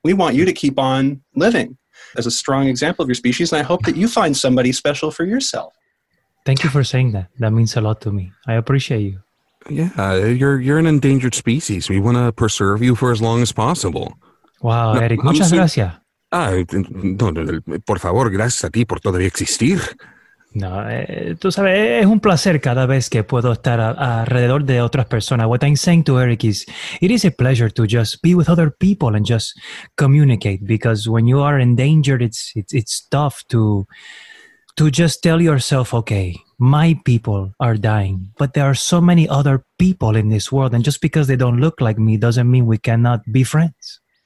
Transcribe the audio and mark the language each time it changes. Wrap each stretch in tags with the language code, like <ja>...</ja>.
<en>We want you to keep on living as a strong example of your species, and I hope that you find somebody special for yourself. Thank you for saying that. That means a lot to me. I appreciate you. Yeah, you're an endangered species. We want to preserve you for as long as possible.</en> <es>Wow, no, Eric, muchas gracias. Por favor, gracias a ti por todavía existir. No, tú sabes, es un placer cada vez que puedo estar alrededor de otras personas.</es> <en>What I'm saying to Eric is, it is a pleasure to just be with other people and just communicate, because when you are in danger, it's tough to just tell yourself, okay, my people are dying, but there are so many other people in this world, and just because they don't look like me doesn't mean we cannot be friends.</en>